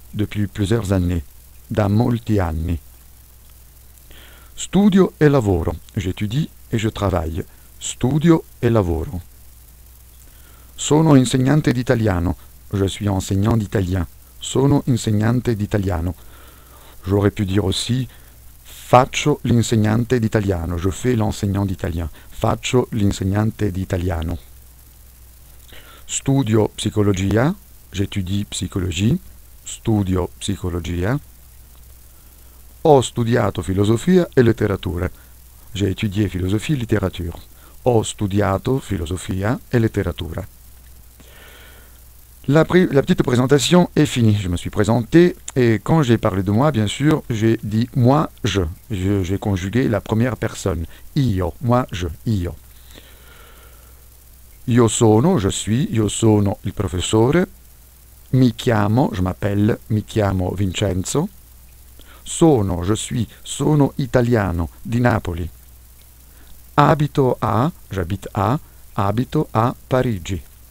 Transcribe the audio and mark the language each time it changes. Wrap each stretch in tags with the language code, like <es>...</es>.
<fr>Depuis plusieurs années.</fr> <it>Da molti anni. Studio e lavoro.</it> <fr>J'étudie et je travaille.</fr> <it>Studio e lavoro. Sono insegnante d'italiano.</it> <fr>Je suis enseignant d'italien.</fr> <it>Sono insegnante d'italiano.</it> <fr>J'aurais pu dire aussi</fr> <it>faccio l'insegnante d'italiano.</it> <fr>Je fais l'enseignant d'italien.</fr> <it>Faccio l'insegnante d'italiano. Studio psicologia.</it> <fr>J'étudie psychologie.</fr> <it>Studio psicologia. Ho studiato filosofia e letteratura.</it> <fr>J'ai étudié philosophie et littérature.</fr> <it>Ho studiato filosofia e letteratura.</it> <fr>La petite présentation est finie. Je me suis présenté et quand j'ai parlé de moi, bien sûr, j'ai dit moi, je. J'ai conjugué la première personne.</fr> <it>Io,</it> <fr>moi, je,</fr> <it>io. Io sono,</it> <fr>je suis,</fr> <it>io sono il professore. Mi chiamo,</it> <fr>je m'appelle,</fr> <it>mi chiamo Vincenzo. Sono,</it> <fr>je suis,</fr> <it>sono italiano di Napoli. Abito a,</it> <fr>j'habite a,</fr> <it>abito a Parigi.</it>